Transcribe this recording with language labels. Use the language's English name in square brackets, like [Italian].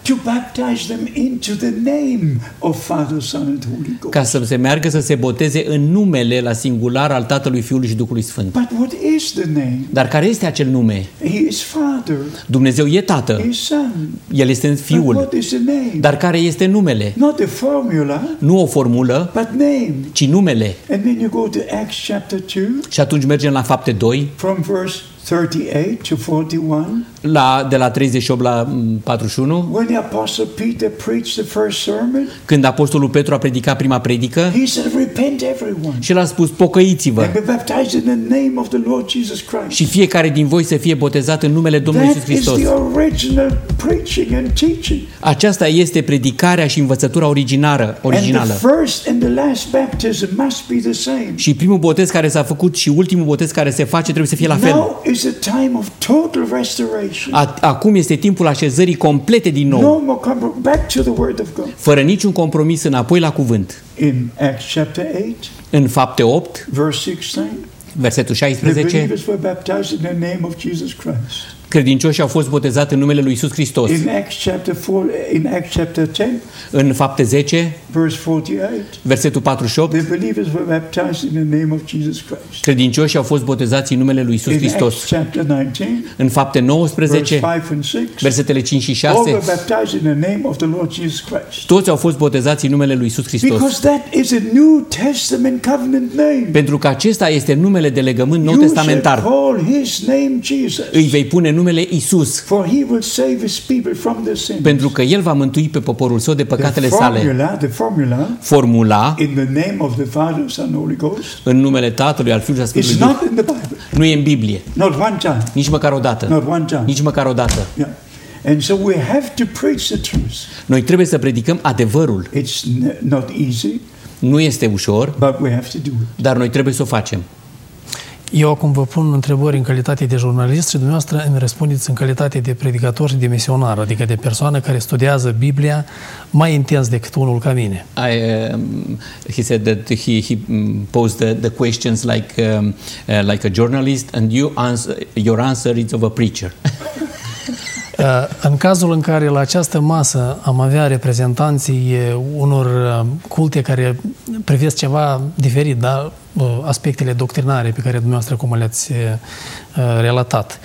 [English] to baptize them into the name of Father, Son and Holy Ghost. [Romanian] Ca să se meargă să se boteze în numele la singular al Tatălui, Fiului și Duhului Sfânt. [English] But what is the name? [Romanian] Dar care este acel nume? [English] He is Father. [Romanian] Dumnezeu e Tată. [English] He is Son. [Romanian] El este Fiul. [English] But what is the name? [Romanian] Dar care este numele? [English] Not a formula, [Romanian] nu o formulă, [English] but name. [Romanian] Ci numele. [English] And then you go to Acts chapter 2. [Romanian] Și atunci mergem la Fapte 2. [English] From verse 38 to 41. [Romanian] La de la 38 la 41. [English] When the apostle Peter preached the first sermon. [Romanian] Când apostolul Petru a predicat prima predică. [English] He said, "Repent, everyone." [Romanian] Și l-a spus, pocăiți-vă. [English] And be baptized in the name of the Lord Jesus Christ. [Romanian] Și fiecare din voi să fie botezat în numele Domnului Iisus Hristos. [English] That is the original preaching and teaching. [Romanian] Aceasta este predicarea și învățătura originară, originală. [English] And the first and the last baptism must be the same. [Romanian] Și primul botez care s-a făcut și ultimul botez care se face trebuie să fie la fel. [English] Is a time of total restoration. [Romanian] Acum este timpul așezării complete din nou. [English] No more compromise, back to the word of God. [Romanian] Fără niciun compromis înapoi la cuvânt. [English] In Acts chapter 8. [Romanian] În Fapte 8. [English] Verse 16. [Romanian] Versetul 16. [English] The believers were baptized in the name of Jesus Christ. [Romanian] Credincioșii au fost botezați în numele lui Iisus Hristos. [English] In Acts chapter 4, in Acts chapter 10. [Romanian] În Fapte 10. [English] Verse 48. [Romanian] Versetul 48. [English] The believers were baptized in the name of Jesus Christ. [Romanian] Credincioșii au fost botezați în numele lui Iisus Hristos. [English] In Acts chapter 19. [Romanian] În Fapte 19. [English] Verse 5 and 6. [Romanian] Versetele 5 și 6. [English] All were baptized in the name of the Lord Jesus Christ. [Romanian] Toți au fost botezați în numele lui Iisus Hristos. [English] Because that is a New Testament covenant name. [Romanian] Pentru că acesta este numele de legământ nou testamentar. [English] You shall call his name Jesus. [Romanian] Îi vei pune numele Iisus. [English] For he will save his people from their sins. [Romanian] Pentru că el va mântui pe poporul său de păcatele sale. [English] The formula in the name of the Father, Son, Holy Ghost. [Romanian] În numele Tatălui, al Fiului și al Sfântului Duh. [English] It's not in the Bible. [Romanian] Nu e în Biblie. [English] Not one time. [Romanian] Nici măcar o dată. [English] Not one time. [Romanian] Nici măcar o dată. [English] Yeah. And so we have to preach the truth. [Romanian] Noi trebuie să predicăm adevărul. [English] It's not easy. [Romanian] Nu este ușor. [English] But we have to do it. [Romanian] Dar noi trebuie să o facem. Eu acum vă pun întrebări în calitate de jurnalist și dumneavoastră îmi răspundeți în calitate de predicator și de misionar, adică de persoană care studiază Biblia mai intens decât unul ca mine. [English] He said that he posed the questions like a journalist and your answer is of a preacher. [Romanian] În cazul în care la această masă am avea reprezentanții unor culte care privesc ceva diferit, da? Aspectele doctrinare pe care dumneavoastră cum le-ați relatat.